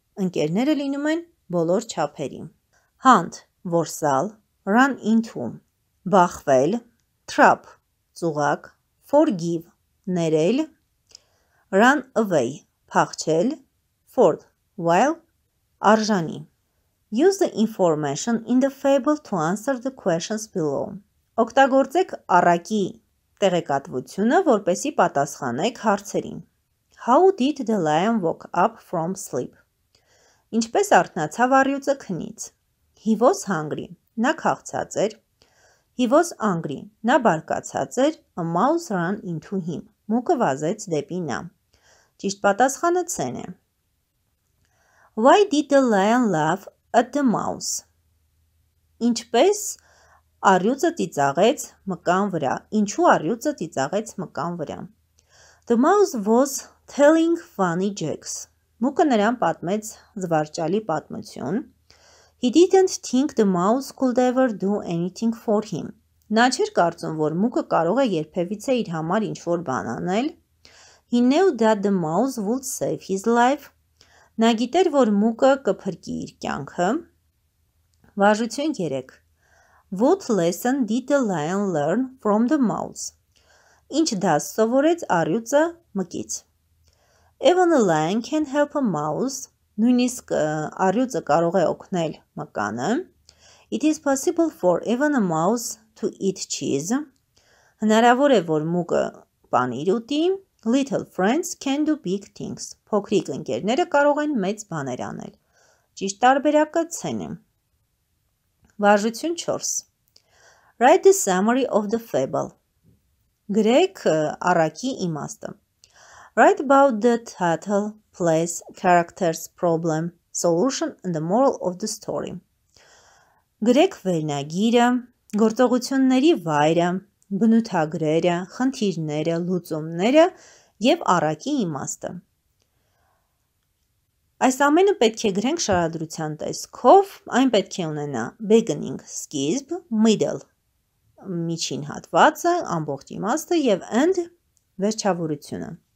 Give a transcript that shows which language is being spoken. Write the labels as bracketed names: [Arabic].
[Armenian] Ընկերները լինում են բոլոր չափերի։ [English] Hunt, որսալ, run into, բախվել, trap, ծուղակ, forgive, ներել, run away, փախչել, fort, while, արժանի։ Use the information in the fable to answer the questions below. [Armenian] Օգտագործեք առակի տեղեկատվությունը, որպեսի պատասխանեք հարցերին. [English] How did the lion wake up from sleep? [Armenian] Ինչպես արթնացավ առյուծը քնից? [English] He was hungry. [Armenian] Նա քաղցած էր. [English] He was angry. [Armenian] Նա բարկացած էր. [English] A mouse ran into him. [Armenian] Մուկը վազեց դեպի նա. Ճիշտ պատասխանը C-ն է. [English] Why did the lion laugh at the mouse? [Armenian] Ինչպես արյուծը ծիծաղեց մկան վրա? Ինչու արյուծը ծիծաղեց մկան վրա? [English] The mouse was telling funny jokes. [Armenian] Մուկը նրան պատմեց զվարճալի պատմություն. [English] He didn't think the mouse could ever do anything for him. [Armenian] Նա չէր կարծում, որ մուկը կարող է երբևիցե իր համար ինչ-որ բան անել. [English] He knew that the mouse would save his life. [Armenian] Նա գիտեր, որ մուկը կփրկի իր կյանքը. Վարժություն 3. [English] What lesson did the lion learn from the mouse? [Armenian] Ինչ դաս սովորեց արյուծը մկից? [English] Even a lion can help a mouse. [Armenian] Նույնիսկ արյուծը կարող է օգնել մկանը. [English] It is possible for even a mouse to eat cheese. [Armenian] Հնարավոր է, որ մուկը պանիր ուտի. [English] Little friends can do big things. [Armenian] Փոքրիկ ընկերները կարող են մեծ բաներ անել. Ճիշտ տարբերակը C-ն է. Վարժություն 4. [English] Write the summary of the fable. [Armenian] Գրեք առակի իմաստը. [English] Write about the title, place, characters, problem, solution and the moral of the story. [Armenian] Գրեք վերնագիրը, գործողությունների վայրը, բնութագրերը, խնդիրները, լուծումները եւ առակի իմաստը. Այս ամենը պետք է գրենք շարադրության տեսքով, այն պետք է ունենա beginning, սկիզբ, middle, միջին հատվածը, ամբողջ իմաստը եւ end, վերջավորությունը.